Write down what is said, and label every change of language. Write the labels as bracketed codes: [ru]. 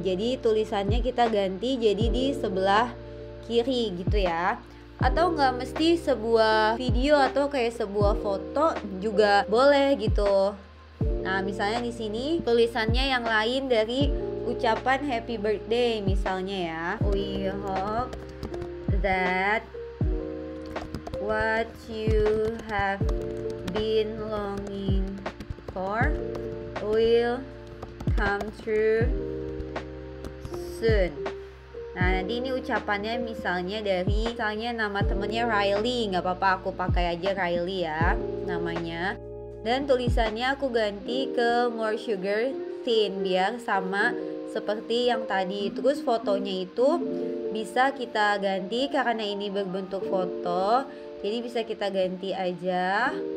[id] Jadi tulisannya kita ganti jadi di sebelah kiri gitu ya. Atau nggak mesti sebuah video atau kayak sebuah foto juga boleh gitu. Nah, misalnya di sini tulisannya yang lain dari ucapan happy birthday misalnya ya. [en] We hope that what you have been longing for will come true soon. [id] Nah, nanti ini ucapannya misalnya dari, misalnya nama temennya Riley, nggak apa-apa aku pakai aja Riley ya namanya. Dan tulisannya aku ganti ke more sugar thin biar sama seperti yang tadi. Terus fotonya itu bisa kita ganti karena ini berbentuk foto, jadi bisa kita ganti aja.